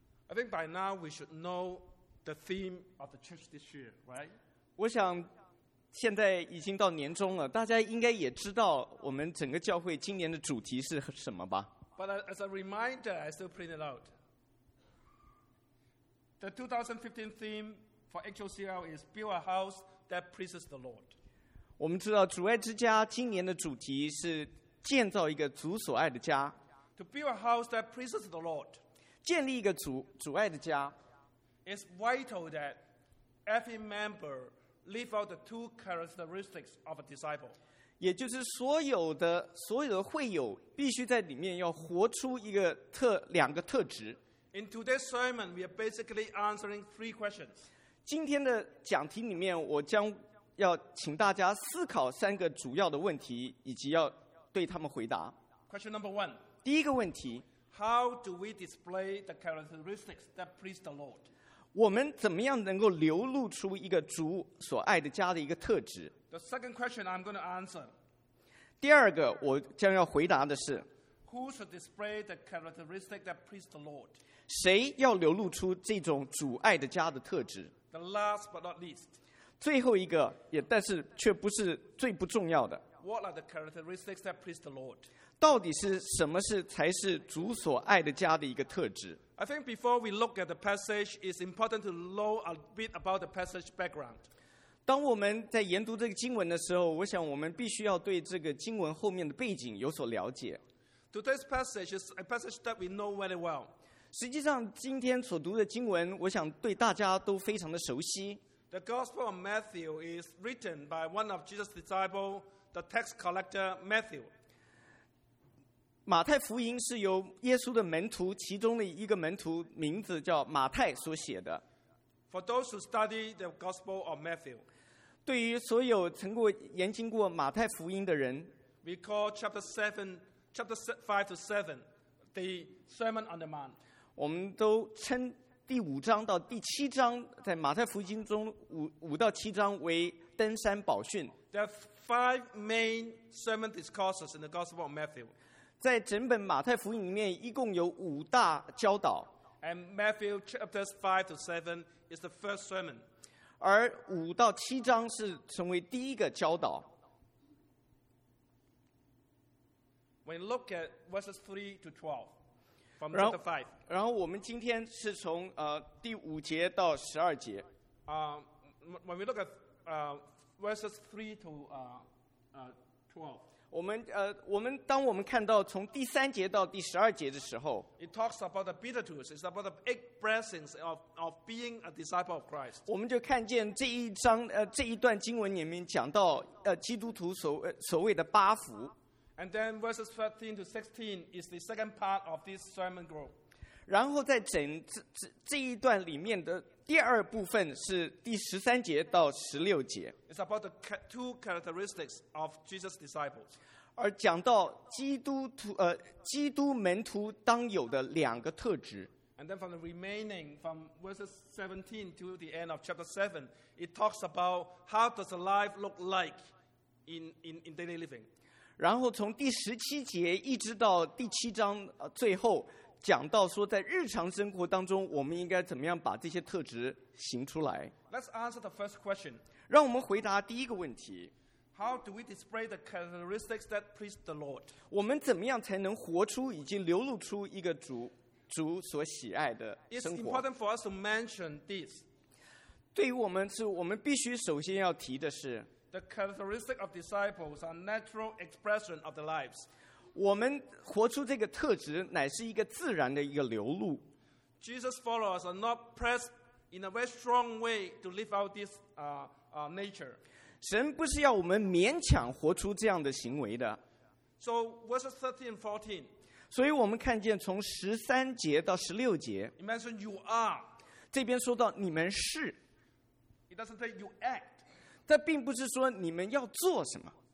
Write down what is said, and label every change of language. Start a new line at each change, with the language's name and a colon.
English: I think by now we should know the theme of the church this year, right?
Chinese: 我想现在已经到年终了，大家应该也知道我们整个教会今年的主题是什么吧
English: ？But as a reminder, I still print it out. The 2015 theme for HOCL is Build a House That Pleases the Lord.
Chinese: 我们知道主爱之家今年的主题是建造一个主所爱的家。
English: To build a house that pleases the Lord.
Chinese: 建立一个主爱的家。
English: It's vital that every member live out the two characteristics of a disciple.
Chinese: 也就是所有的会友必须在里面要活出两个特质。
English: In today's sermon, we are basically answering three questions.
Chinese: 今天的讲题里面，我将要请大家思考三个主要的问题，以及要对他们回答。
English: Question number one.
Chinese: 第一个问题。
English: How do we display the characteristics that please the Lord?
Chinese: 我们怎么样能够流露出一个主所爱的家的一个特质
English: ？The second question I'm going to answer.
Chinese: 第二个我将要回答的是。
English: Who should display the characteristic that please the Lord?
Chinese: 谁要流露出这种主爱的家的特质
English: ？The last but not least.
Chinese: 最后一个，也但是却不是最不重要的。
English: What are the characteristics that please the Lord?
Chinese: 到底是什么是才是主所爱的家的一个特质
English: ？I think before we look at the passage, it's important to know a bit about the passage background.
Chinese: 当我们在研读这个经文的时候，我想我们必须要对这个经文后面的背景有所了解。
English: Today's passage is a passage that we know very well.
Chinese: 实际上，今天所读的经文，我想对大家都非常的熟悉。
English: The Gospel of Matthew is written by one of Jesus' disciples, the tax collector Matthew.
Chinese: 马太福音是由耶稣的门徒其中的一个门徒，名字叫马太所写的。
English: For those who study the Gospel of Matthew,
Chinese: 对于所有曾过研经过马太福音的人
English: ，We call chapter seven. Chapter 5 to 7, the Sermon on the Mount.
Chinese: 我们都称第五章到第七章，在马太福音中五到七章为登山宝训。
English: There are five main sermon discourses in the Gospel of Matthew.
Chinese: 在整本马太福音里面，一共有五大教导。
English: And Matthew chapters 5 to 7 is the first sermon.
Chinese: 而五到七章是成为第一个教导。
English: When you look at verses 3 to 12 from chapter 5.
Chinese: 然后我们今天是从第五节到十二节。
English: When we look at verses 3 to 12.
Chinese: 我们当我们看到从第三节到第十二节的时候
English: ，It talks about the beatitudes. It's about the eight blessings of being a disciple of Christ.
Chinese: 我们就看见这一章这一段经文里面讲到基督徒所谓的八福。
English: And then verses 13 to 16 is the second part of this sermon group.
Chinese: 然后在整这一段里面的第二部分是第十三节到十六节。
English: It's about the two characteristics of Jesus' disciples.
Chinese: 而讲到基督门徒当有的两个特质。
English: And then from the remaining, from verses 17 to the end of chapter 7, it talks about how does a life look like in daily living.
Chinese: 然后从第十七节一直到第七章最后讲到说在日常生活当中我们应该怎么样把这些特质行出来。
English: Let's answer the first question.
Chinese: 让我们回答第一个问题。
English: How do we display the characteristics that please the Lord?
Chinese: 我们怎么样才能活出以及流露出一个主所喜爱的生活。
English: It's important for us to mention this.
Chinese: 对于我们是我们必须首先要提的是
English: The characteristics of disciples are natural expression of the lives.
Chinese: 我们活出这个特质乃是一个自然的一个流露。
English: Jesus followers are not pressed in a very strong way to live out this nature.
Chinese: 神不是要我们勉强活出这样的行为的。
English: So verses 13 and 14.
Chinese: 所以我们看见从13节到16节
English: It mentions you are.
Chinese: 这边说到你们是。
English: It doesn't say you act.
Chinese: 这并不是说你们要做什么。